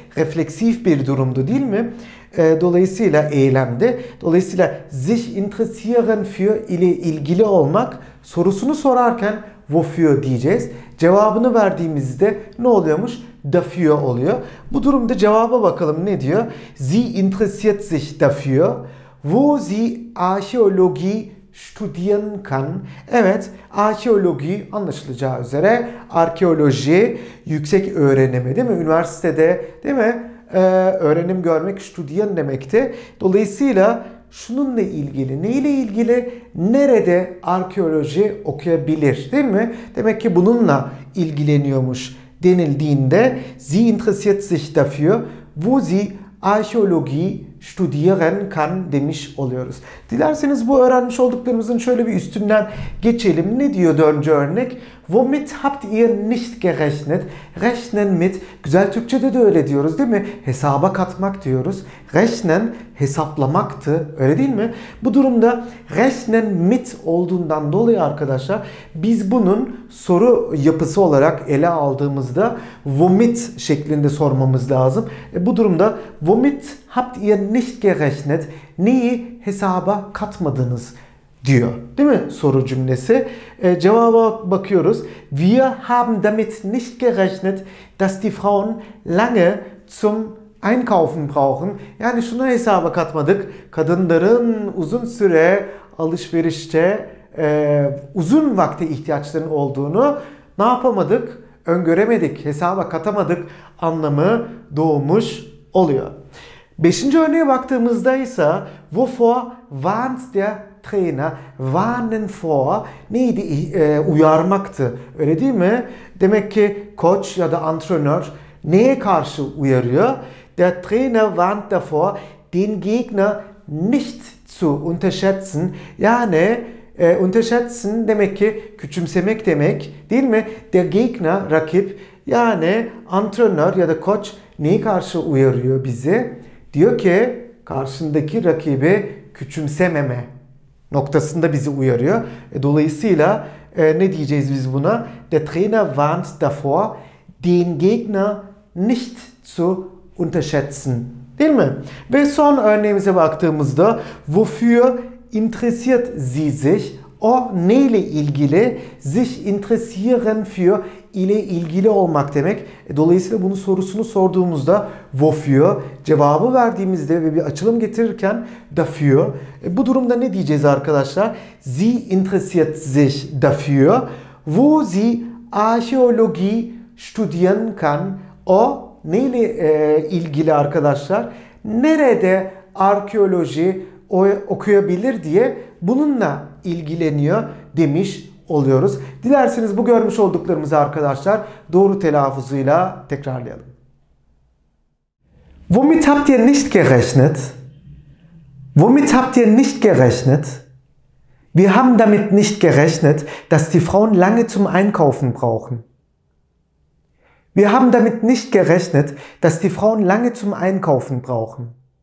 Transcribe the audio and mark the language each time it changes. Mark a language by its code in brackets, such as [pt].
[tr] Refleksif bir durumdu, değil mi? Dolayısıyla eylemdi. Dolayısıyla [de] sich interessieren für [tr] ile ilgili olmak, sorusunu sorarken wofür diyeceğiz. Cevabını verdiğimizde ne oluyormuş? Dafür oluyor. Bu durumda cevaba bakalım ne diyor? [de] Sie interessiert sich dafür, wo sie Archäologie studieren kann. [tr] Evet, archäologie anlaşılacağı üzere arkeoloji, yüksek öğrenimi, değil mi? Üniversitede, değil mi? Öğrenim görmek, studieren demekti. Dolayısıyla şununla ilgili, neyle ilgili? Nerede arkeoloji okuyabilir, değil mi? Demek ki bununla ilgileniyormuş denildiğinde [de] sie interessiert sich dafür, wo sie Archäologie studieren kann [tr] demiş oluyoruz. Dilerseniz bu öğrenmiş olduklarımızın şöyle bir üstünden geçelim. Ne diyor dördüncü örnek? [de] Womit habt ihr nicht gerechnet? Rechnen mit, [tr] güzel Türkçe'de de öyle diyoruz, değil mi? Hesaba katmak diyoruz. Rechnen hesaplamaktı, öyle değil mi? Bu durumda [de] rechnen mit [tr] olduğundan dolayı arkadaşlar biz bunun soru yapısı olarak ele aldığımızda womit şeklinde sormamız lazım. Bu durumda [de] womit habt ihr nicht gerechnet? [tr] Neyi hesaba katmadınız diyor, değil mi? Soru cümlesi. Cevaba bakıyoruz. [de] Wir haben damit nicht gerechnet, dass die Frauen lange zum Einkaufen brauchen. [tr] Yani şunu hesaba katmadık. Kadınların uzun süre alışverişte uzun vakte ihtiyaçlarının olduğunu ne yapamadık? Öngöremedik, hesaba katamadık anlamı doğmuş oluyor. Beşinci örneğe baktığımızda ise [de] wovor warnt der Trainer, warnen vor, [tr] neydi? Uyarmaktı, öyle değil mi? Demek ki koç ya da antrenör neye karşı uyarıyor? [de] Der Trainer warnt davor, den Gegner nicht zu unterschätzen. [tr] Yani unterschätzen demek ki küçümsemek demek, değil mi? [de] Der Gegner, [tr] rakip, yani antrenör ya da koç neye karşı uyarıyor bizi? Diyor ki karşındaki rakibi küçümsememe noktasında bizi uyarıyor. Dolayısıyla ne diyeceğiz biz buna? [de] Der Trainer warnt davor, den Gegner nicht zu unterschätzen [tr] Değil mi? Ve son örneğimize baktığımızda [de] wofür interessiert sie sich? [tr] O neyle ilgili? [de] Sich interessieren für [tr] ile ilgili olmak demek. Dolayısıyla bunun sorusunu sorduğumuzda wofür cevabı verdiğimizde ve bir açılım getirirken dafür. Bu durumda ne diyeceğiz arkadaşlar? [de] Sie interessiert sich dafür, wo sie Archäologie studieren kann. [tr] O neyle ilgili arkadaşlar? Nerede arkeoloji okuyabilir diye bununla ilgileniyor demiş oluyoruz. Dilerseniz bu görmüş olduklarımızı arkadaşlar doğru telaffuzuyla tekrarlayalım. [de] Womit habt ihr nicht gerechnet? Womit habt ihr nicht gerechnet? Wir haben damit nicht gerechnet, dass die Frauen lange zum Einkaufen brauchen. Wir haben damit nicht gerechnet, dass die Frauen lange zum Einkaufen brauchen.